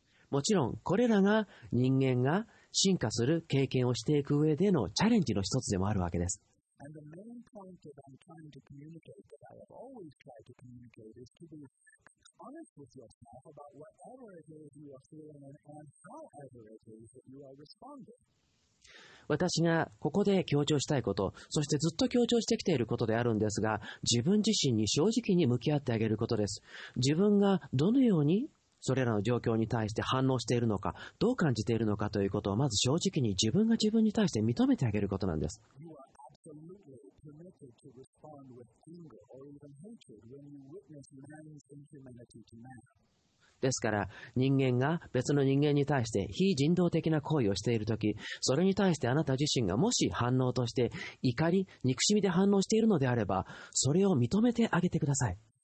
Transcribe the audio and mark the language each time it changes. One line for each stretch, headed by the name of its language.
Japanese: もちろん、これらが人間が進化する経験をしていく上でのチャレンジの一つでもあるわけです。
English: And the main point that I'm trying to communicate, that I have always tried to communicate, is to be honest with yourself about whatever it is you are feeling and however it is that you are responding.
Japanese: 私がここで強調したいこと、そしてずっと強調してきていることであるんですが、自分自身に正直に向き合ってあげることです。自分がどのようにそれらの状況に対して反応しているのか、どう感じているのかということをまず正直に自分が自分に対して認めてあげることなんです。
English: You are absolutely permitted tempted to respond with anger or even hatred when you witness man's inhumanity to man.
Japanese: ですから、人間が別の人間に対して非人道的な行為をしているとき、それに対してあなた自身がもし反応として怒り、憎しみで反応しているのであれば、それを認めてあげてください。